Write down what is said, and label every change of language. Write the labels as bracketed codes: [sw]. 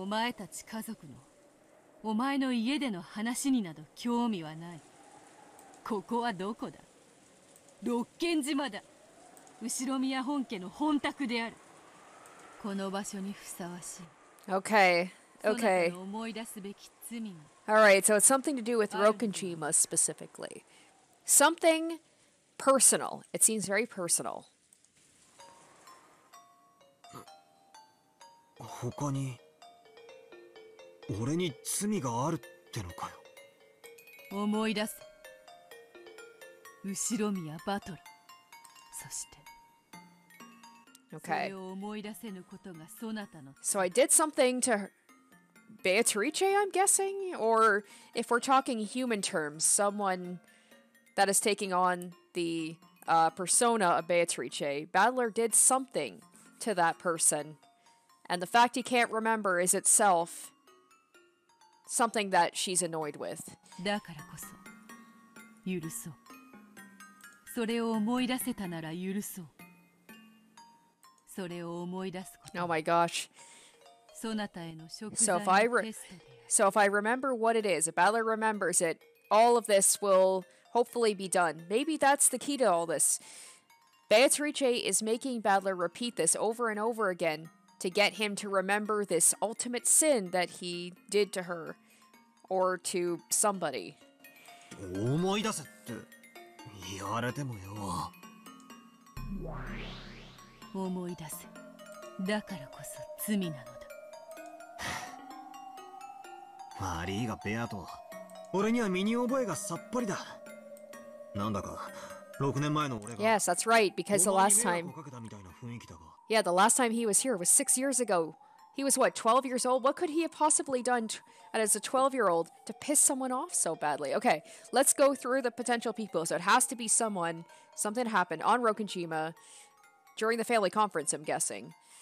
[ja] お前たち家族の、お前の家での話になど興味はない。ここはどこだ？六軒島だ。 Ushiromiya 本家の本宅である。この場所にふさわしい。 [en] Okay. Okay. [ja] そなたの思い出すべき罪も。 [en] Alright, so it's something to do with Rokenjima specifically. Something personal. It seems very personal. [ja] 他に俺に罪があるってのかよ。思い出す。Ushiromiya バトル。そして、 [en] okay. [ja] それを思い出せぬことがそなたの。 [en] So I did something to Beatrice, I'm guessing? Or if we're talking human terms, someone that is taking on the、persona of Beatrice, Badler did something to that person. And the fact he can't remember is itself something that she's annoyed with. [ja] だからこそ、許そう。それを思い出せたなら許そう。それを思い出すこと。 [en] Oh my gosh. [ja] そなたへの食材のテストである。 [en] So if I remember what it is, if Balor remembers it, all of this will hopefully be done. Maybe that's the key to all this. Beatrice is making Balor repeat this over and over again. To get him to remember this ultimate sin that he did to her, or to somebody. [ja] 思い出せって言われてもよ。思い出せ。だからこそ罪なのだ。悪いがベアト。俺には身に覚えがさっぱりだ。なんだか六年前の俺が。 [en] Yes, that's right. Because the last time. Yeah, the last time he was here was 6 years ago. He was, what, 12 years old? What could he have possibly done as a 12-year-old to piss someone off so badly? Okay, let's go through the potential people. So it has to be someone, something happened on Rokenjima during the family conference, I'm guessing.